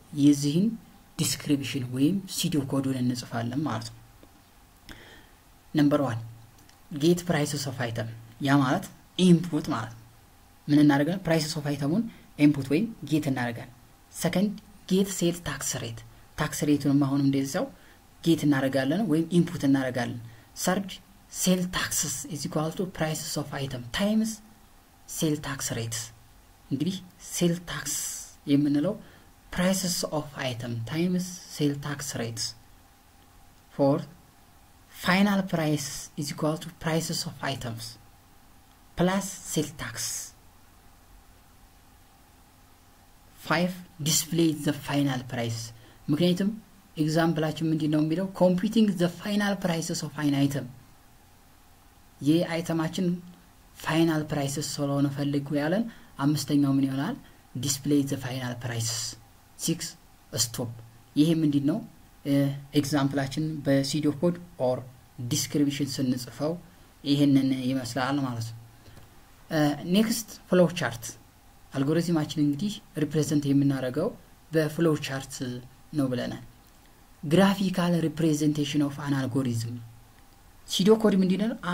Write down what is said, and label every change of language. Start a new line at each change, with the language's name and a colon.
Amharic: የዚህን description ወይም pseudocode-ን እንጽፋለን ማለት ነው።
English: Number 1. Get prices of item.
Amharic: ያ ማለት input ማለት ነው። ምን እናረጋለን?
English: Prices of item-ን input ወይም get
Amharic: እናረጋለን።
English: Second, get sales tax rate.
Amharic: Tax rate-ን ማሆን እንደዚያው get እናረጋለን ወይም input እናረጋለን.
English: Third, sales taxes is equal to prices of item times sales tax rates.
Amharic: እንግዲህ sales tax የምንለው
English: prices of item times sales tax rates. Fourth, final price is equal to prices of items plus sales tax. 5 display the final price
Amharic: ምክንያቱም ኤግዛምፕላችን ምንድነው የሚለው
English: computing the final prices of an item
Amharic: ይሄ አይተማችን final prices ስለሆነ ፈልጉ ያለን አምስተኛው ምን ይሆናል
English: display the final prices
Amharic: 6 stop ይሄ ምንድነው ኤግዛምፕላችን በሲዶ ኮድ ኦር description ስንጽፈው ይሄንን ይመስላል ማለት ነው next flow chart አልጎሪዝማችን እንግዲህ ሪፕሬዘንት የምናረጋው በፍሎ ቻርት ነው ብለናል ግራፊካል ሪፕሬዘንቴሽን ኦፍ አን አልጎሪዝም ሲዶ ኮድ ምን ይላል